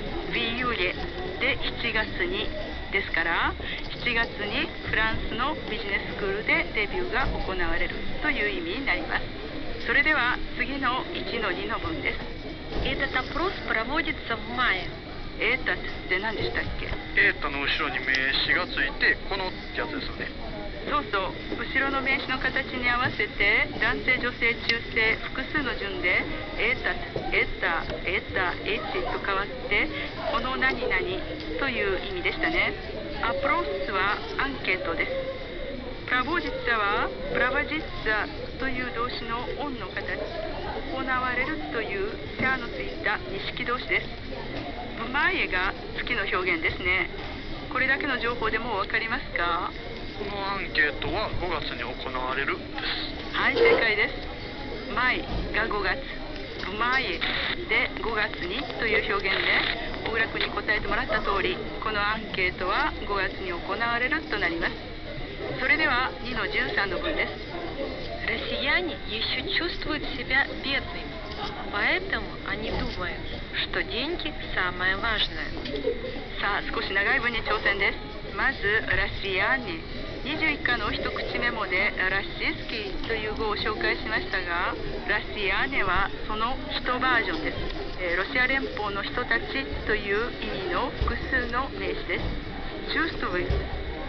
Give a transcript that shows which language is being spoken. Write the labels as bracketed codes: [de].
[ja] Viule で7月にですから、7月にフランスのビジネススクールでデビューが行われるという意味になります。それでは次の 1-2 の文です。 [ru] Этот опрос проводится в мае。 [ja] Этот って何でしたっけ？ Этот の後ろに名詞がついて、このってやつですよね。そうそう、後ろの名詞の形に合わせて男性、女性、中性、複数の順でエタ、エタ、エタ、エチと変わって、この何々という意味でしたね。アプロスはアンケートです。プラボジッツァはプラバジッツァという動詞のオンの形、行われるというシャーのついた二式動詞です。ブマイエが月の表現ですね。これだけの情報でもう分かりますか？このアンケートは5月に行われるです。はい、正解です。マイが5月、ブマイで5月にという表現で、小倉君に答えてもらった通り、このアンケートは5月に行われるとなります。それでは 2-13 の文です。 [ru] ロシア人は еще чувствуют себя бедными, поэтому они думают, что деньги самое важное. [ja] さあ、少し長い文に挑戦です。まずロシア人、21課の一口メモでラシスキーという語を紹介しましたが、ラシアネはその人バージョンです。ロシア連邦の人たちという意味の複数の名詞です。チューストゥイ